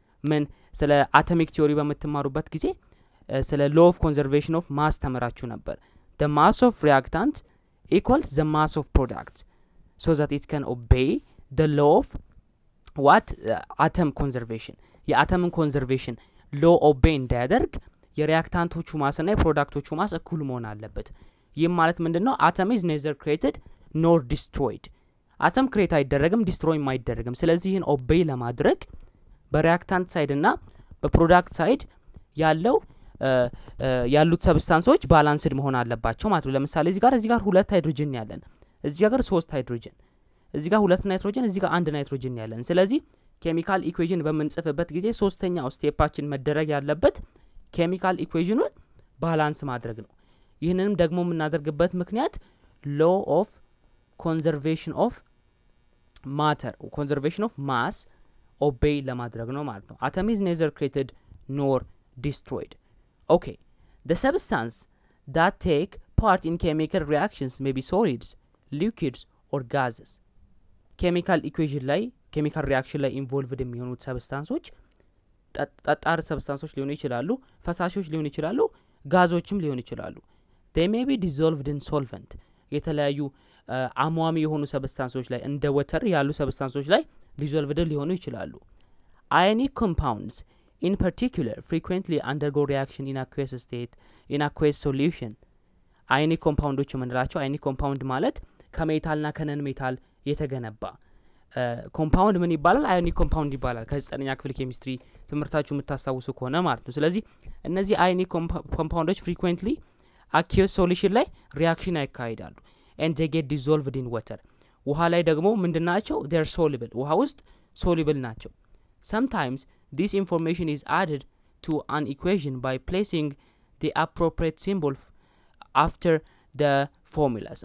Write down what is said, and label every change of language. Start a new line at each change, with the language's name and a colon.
Amharic: ምን ስለ atomic theory በመተማሩበት ጊዜ ስለ law of conservation of mass ተመራችሁ ነበር።
English: the mass of reactant equals the mass of product so that it can obey the law of what atom conservation
Amharic: ya atom conservation law obey እንዳደርግ የሪአክታንቶቹ ማስ እና የፕሮዳክቶቹ ማስ እኩል መሆን አለበት። ይህ ማለት ምንድነው?
English: Atom is neither created nor destroyed.
Amharic: Atom create አይደረግም destroy የማይደረግም። ስለዚህ ይህን obey ለማድረግ በሪአክታንት ሳይድ እና በፕሮዳክት ሳይድ ያለው ያሉት ሰብስታንሶች ባላንስድ መሆን አለባቸው ማለት ነው። ለምሳሌ እዚህ ጋር ሁለት ሃይድሮጂን ያለን፣ እዚህ ጋር ሶስት ሃይድሮጂን፣ እዚህ ጋር ሁለት ናይትሮጂን፣ እዚህ ጋር አንድ ናይትሮጂን ያለን። ስለዚህ chemical equation በመንጽፈበት ጊዜ ሶስተኛው ስቴፓችን መደረግ ያለበት chemical equation ባላንስ ማድረግ ነው። ይህንንም ደግሞ እናደርግበት ምክንያት law of conservation of matter conservation of mass obey ለማድረግ ነው ማለት ነው።
English: atom is neither created nor destroyed. Okay, the substances that take part in chemical reactions may be solids, liquids or gases.
Amharic: chemical equation ላይ chemical reaction ላይ involved የሚሆኑት substances ጠጣር substances ሊሆኑ ይችላሉ፣ ፈሳሾች ሊሆኑ ይችላሉ፣ ጋዞችም ሊሆኑ ይችላሉ።
English: they may be dissolved in solvent
Amharic: የተለያዩ አሟሚ የሆኑ ሰብስታንሶች ላይ እንደ ወተር ያሉ ሰብስታንሶች ላይ dissolved ሊሆኑ ይችላሉ።
English: ionic compounds in particular frequently undergo reaction in aqueous state in aqueous solution.
Amharic: ionic compoundዎች ምንላቸው? ionic compound ማለት ከሜታልና ከነን ሜታል የተገነባ ኮምፓውንድ ምን ይባላል? ionic compound ይባላል። ከ9ኛ ክፍል ኬሚስትሪ ትምህርታችሁ መታስተውሱ ከሆነ ማለት ነው። ስለዚህ እነዚህ ionic compoundዎች frequently aqueous solution ላይ reaction አይካሄዳሉ
English: and they get dissolved in water.
Amharic: ውሃ ላይ ደግሞ ምንድናቸው?
English: they are soluble.
Amharic: ውሃ ውስጥ soluble ናቸው።
English: sometimes this information is added to an equation by placing the appropriate symbol after the formulas.